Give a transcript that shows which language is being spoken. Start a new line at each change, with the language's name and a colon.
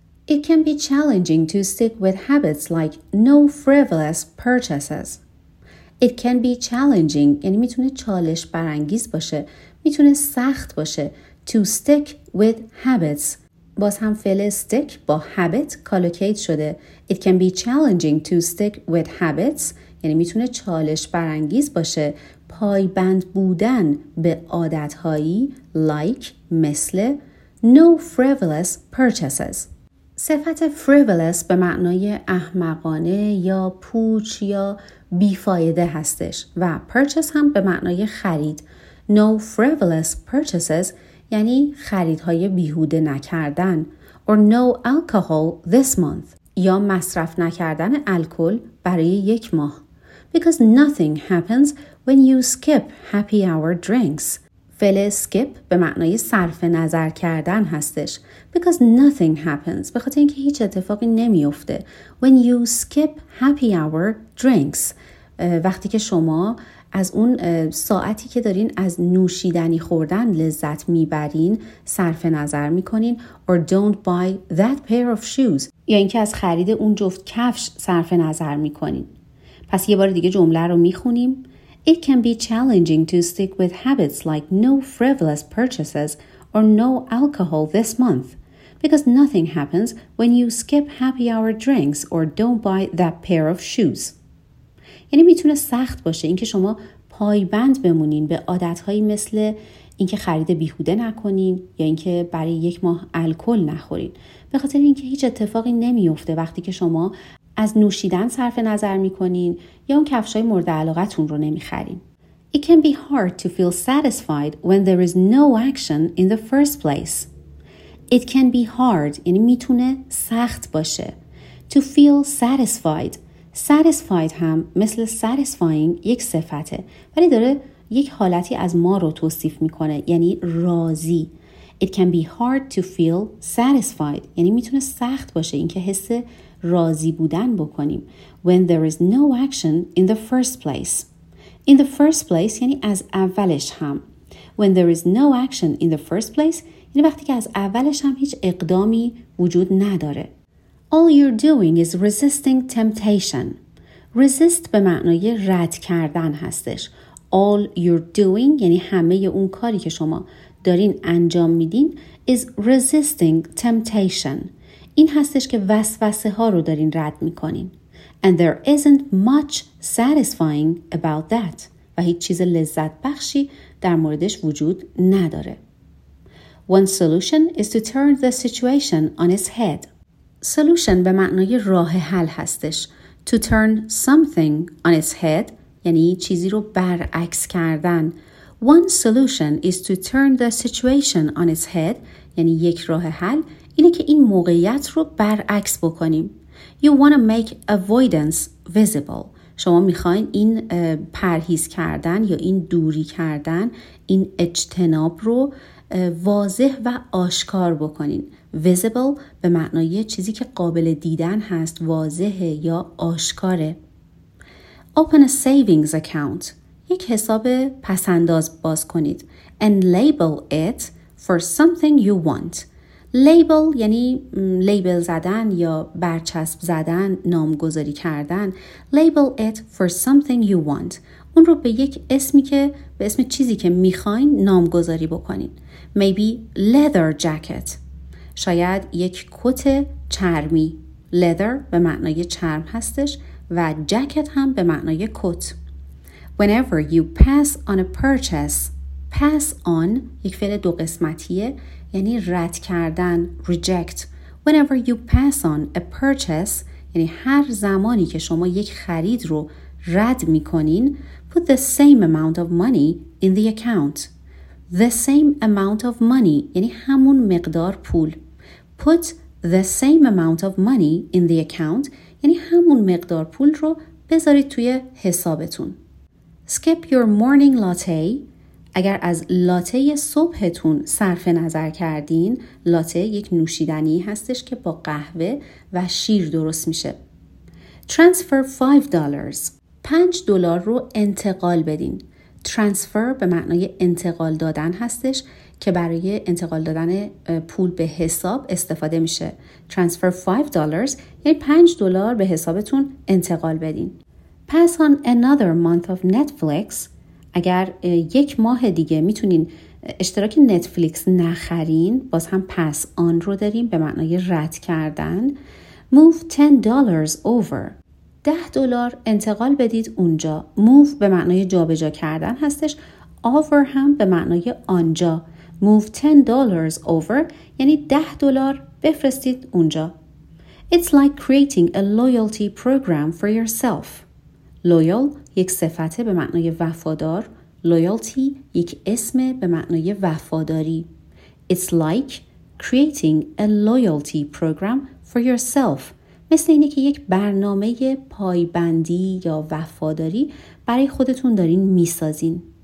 English: It can be challenging to stick with habits like no frivolous purchases. It can be challenging
Persian: یعنی میتونه چالش برانگیز باشه، میتونه سخت باشه
English: to stick with habits.
Persian: باز هم فعل stick با habit collocate شده.
English: It can be challenging to stick with habits.
Persian: یعنی میتونه چالش برانگیز باشه. پایبند بودن به عادتهایی like مثل
English: no frivolous purchases.
Persian: صفت frivolous به معنای احمقانه یا پوچ یا بیفایده هستش. و purchase هم به معنای خرید.
English: No frivolous purchases
Persian: یعنی خریدهای بیهوده نکردن
English: or no alcohol this month
Persian: یا مصرف نکردن الکل برای یک ماه
English: because nothing happens when you skip happy hour drinks.
Persian: فعل skip به معنای صرف نظر کردن هستش
English: because nothing happens
Persian: به خاطر اینکه هیچ اتفاقی نمیفته
English: when you skip happy hour drinks
Persian: وقتی که شما از اون ساعتی که دارین از نوشیدنی خوردن لذت میبرین صرف نظر میکنین
English: or don't buy that pair of shoes
Persian: یا اینکه از خرید اون جفت کفش صرف نظر میکنین. پس یه بار دیگه جمله رو میخونیم.
English: It can be challenging to stick with habits like no frivolous purchases or no alcohol this month because nothing happens when you skip happy hour drinks or don't buy that pair of shoes.
Persian: یعنی میتونه سخت باشه اینکه شما پایبند بمونین به عادتهایی مثل اینکه خرید بیهوده نکنین یا اینکه برای یک ماه الکل نخورین به خاطر اینکه هیچ اتفاقی نمیفته وقتی که شما از نوشیدن صرف نظر میکنین یا اون کفشای مورد علاقتون رو نمیخرین.
English: It can be hard to feel satisfied when there is no action in the first place. It can be hard
Persian: یعنی میتونه سخت باشه.
English: To feel satisfied.
Persian: Satisfied هم مثل satisfying یک صفته ولی داره یک حالتی از ما رو توصیف میکنه یعنی راضی.
English: It can be hard to feel satisfied
Persian: یعنی میتونه سخت باشه اینکه حس راضی بودن بکنیم.
English: When there is no action in the first place. In the first place
Persian: یعنی از اولش هم.
English: When there is no action in the first place
Persian: یعنی وقتی که از اولش هم هیچ اقدامی وجود نداره.
English: All you're doing is resisting temptation.
Persian: Resist به معنای رد کردن هستش.
English: All you're doing
Persian: یعنی همه اون کاری که شما دارین انجام میدین
English: is resisting temptation.
Persian: این هستش که وسوسه ها رو دارین رد میکنین.
English: And there isn't much satisfying about that.
Persian: و هیچ چیز لذت بخشی در موردش وجود نداره.
English: One solution is to turn the situation on its head.
Persian: Solution به معنای راه حل هستش.
English: To turn something on its head
Persian: یعنی چیزی رو برعکس کردن.
English: One solution is to turn the situation on its head
Persian: یعنی یک راه حل اینه که این موقعیت رو برعکس بکنیم.
English: You want to make avoidance visible.
Persian: شما میخواین این پرهیز کردن یا این دوری کردن این اجتناب رو واضح و آشکار بکنین. Visible به معنای چیزی که قابل دیدن هست، واضحه یا آشکاره.
English: Open a savings account.
Persian: یک حساب پسنداز باز کنید.
English: And label it for something you want.
Persian: Label یعنی لیبل زدن یا برچسب زدن، نامگذاری کردن.
English: Label it for something you want.
Persian: اون رو به یک اسمی که به اسم چیزی که میخواین نامگذاری بکنید.
English: Maybe leather jacket.
Persian: شاید یک کت چرمی. Leather به معنای چرم هستش و جکت هم به معنای کت.
English: Whenever you pass on a purchase, pass on
Persian: یک فعل دو قسمتیه یعنی رد کردن,
English: reject. Whenever you pass on a purchase,
Persian: یعنی هر زمانی که شما یک خرید رو رد میکنین,
English: put the same amount of money in the account. The same amount of money,
Persian: یعنی همون مقدار پول.
English: Put the same amount of money in the account,
Persian: یعنی همون مقدار پول رو بذارید توی حسابتون.
English: Skip your morning latte.
Persian: اگر از لاته صبحتون صرف نظر کردین, لاته یک نوشیدنی هستش که با قهوه و شیر درست میشه.
English: Transfer $5.
Persian: $5 رو انتقال بدین. Transfer به معنای انتقال دادن هستش که برای انتقال دادن پول به حساب استفاده میشه.
English: Transfer $5,
Persian: یعنی $5 به حسابتون انتقال بدین.
English: Pass on another month of Netflix.
Persian: اگر یک ماه دیگه میتونین اشتراک نتفلیکس نخرین, باز هم پس آن رو داریم به معنای رد کردن.
English: Move $10 over.
Persian: $10 انتقال بدید اونجا. Move به معنای جابجا کردن هستش. Over هم به معنای آنجا.
English: Move $10 over
Persian: یعنی $10 بفرستید اونجا.
English: It's like creating a loyalty program for yourself.
Persian: Loyal یک صفته به معنای وفادار. Loyalty یک اسم به معنای وفاداری.
English: It's like creating a loyalty program for yourself.
Persian: مثل اینه که یک برنامه پایبندی یا وفاداری برای خودتون دارین میسازین.